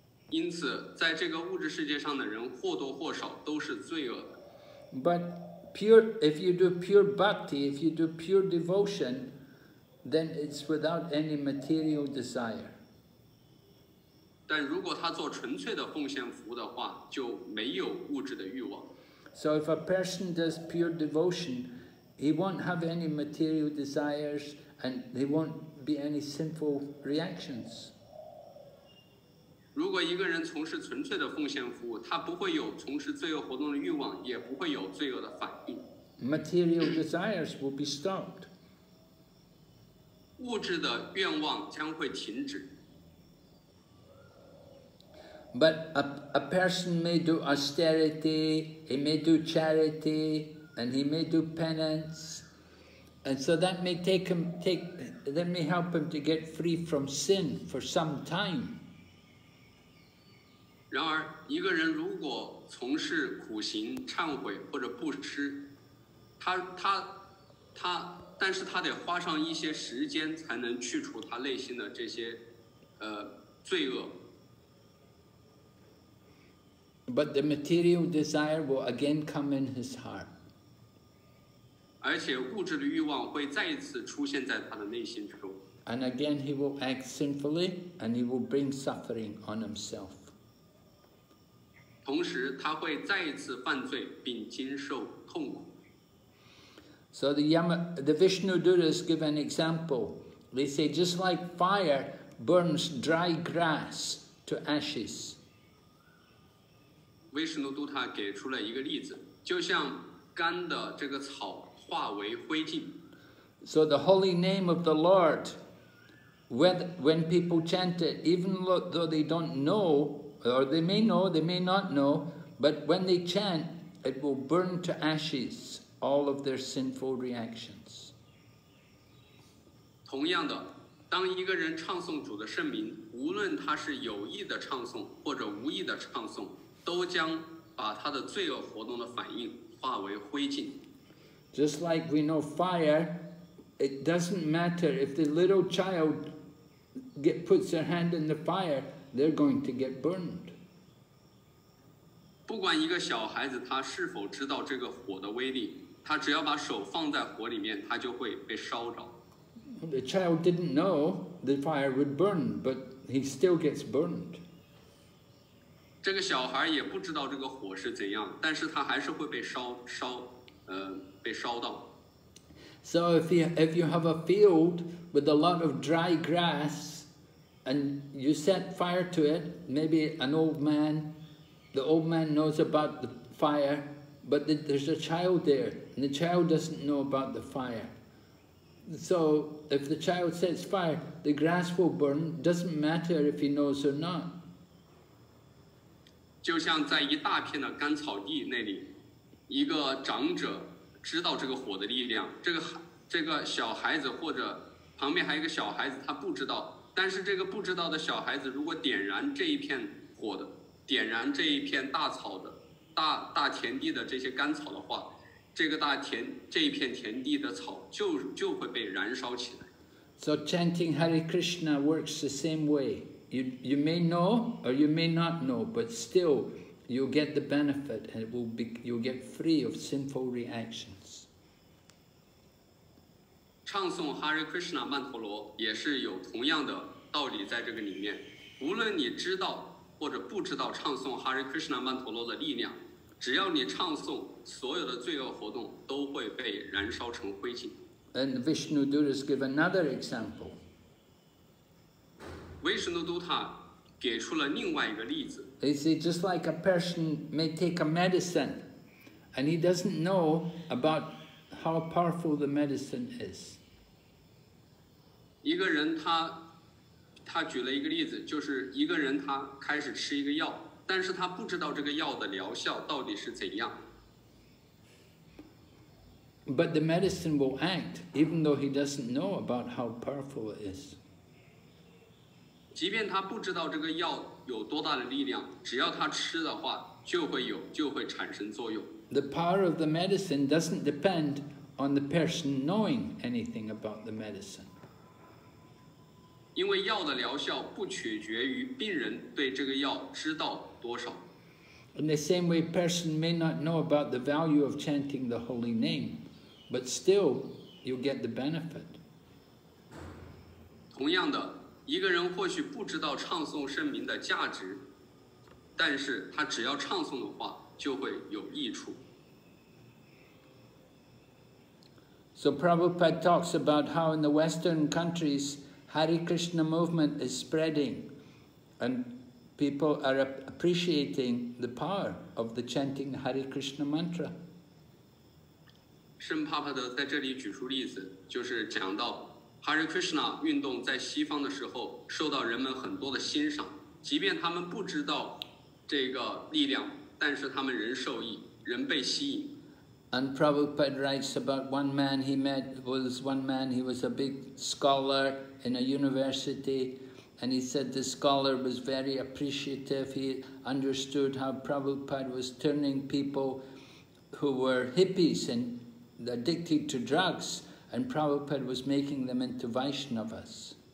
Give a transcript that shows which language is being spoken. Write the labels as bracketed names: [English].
[Chinese] 因此，在这个物质世界上的人或多或少都是罪恶的。 [English] But pure, if you do pure bhakti, if you do pure devotion, then it's without any material desire. [Chinese] 但如果他做纯粹的奉献服务的话，就没有物质的欲望。 [English] So if a person does pure devotion, he won't have any material desires, and there won't be any sinful reactions. [Chinese] 如果一个人从事纯粹的奉献服务，他不会有从事罪恶活动的欲望，也不会有罪恶的反应。 [English] Material desires will be stopped. [Chinese] 物质的愿望将会停止。 [English] But a person may do austerity, he may do charity, and he may do penance, and so that may help him to get free from sin for some time. [Chinese] 然而，一个人如果从事苦行、忏悔或者布施，他，但是他得花上一些时间才能去除他内心的这些，罪恶。 [English] But the material desire will again come in his heart. [Chinese] 而且物质的欲望会再一次出现在他的内心之中。 [English] And again he will act sinfully, and he will bring suffering on himself. [Chinese] 同时他会再一次犯罪并经受痛苦。 [English] So the Vishnu Duras give an example. They say, just like fire burns dry grass to ashes. [Chinese] 维什努杜塔给出了一个例子，就像干的这个草化为灰烬。 [English] So the holy name of the Lord, when people chant it, even though they don't know, or they may know, they may not know, but when they chant, it will burn to ashes all of their sinful reactions. [Chinese] 同样的，当一个人唱诵主的圣名，无论他是有意的唱诵或者无意的唱诵。都将把他的罪恶活动的反应化为灰烬。 [English] Just like we know fire, it doesn't matter if the little child puts their hand in the fire, they're going to get burned. [Chinese] 不管一个小孩子他是否知道这个火的威力，他只要把手放在火里面，他就会被烧着。 [English] The child didn't know the fire would burn, but he still gets burned. [Chinese] 这个小孩也不知道这个火是怎样，但是他还是会被烧到。 [English] So if you have a field with a lot of dry grass, and you set fire to it, maybe an old man, the old man knows about the fire, but there's a child there, and the child doesn't know about the fire. So if the child sets fire, the grass will burn. Doesn't matter if he knows or not. [Chinese] 就像在一大片的干草地那里，一个长者知道这个火的力量，这个小孩子或者旁边还有一个小孩子，他不知道。但是这个不知道的小孩子如果点燃这一片火的，点燃这一片大草的大田地的这些干草的话，这一片田地的草就会被燃烧起来。 [English] So chanting Hare Krishna works the same way. You may know or you may not know, but still you'll get the benefit and you'll get free of sinful reactions. [Chinese] 唱诵 Hare Krishna 曼陀罗也是有同样的道理在这个里面。无论你知道或者不知道唱诵 Hare Krishna 曼陀罗的力量，只要你唱诵，所有的罪恶活动都会被燃烧成灰烬。 [English] And Vishnu Duras give another example. [Chinese] 维什努都塔给出了另外一个例子。 [English] They say just like a person may take a medicine, and he doesn't know about how powerful the medicine is. [Chinese] 一个人他举了一个例子，就是一个人他开始吃一个药，但是他不知道这个药的疗效到底是怎样。 [English] But the medicine will act, even though he doesn't know about how powerful it is. [Chinese] 即便他不知道这个药有多大的力量，只要他吃的话，就会有，就会产生作用。 [English] The power of the medicine doesn't depend on the person knowing anything about the medicine. [Chinese] 因为药的疗效不取决于病人对这个药知道多少。 [English] In the same way, person may not know about the value of chanting the holy name, but still, you get the benefit. [Chinese] 同样的，一个人或许不知道唱诵圣名的价值，但是他只要唱诵的话，就会有益处。 [English] So Prabhupada talks about how in the Western countries, Hare Krishna movement is spreading, and people are appreciating the power of the chanting Hare Krishna mantra. [Chinese] 圣帕帕德在这里举出例子，就是讲到 Hare Krishna 运动在西方的时候受到人们很多的欣赏，即便他们不知道这个力量，但是他们仍受益，仍被吸引。 [English] And Prabhupada writes about one man he met was one man, he was a big scholar in a university, and he said the scholar was very appreciative. He understood how Prabhupada was turning people who were hippies and addicted to drugs, and Prabhupada was making them into Vaishnavas.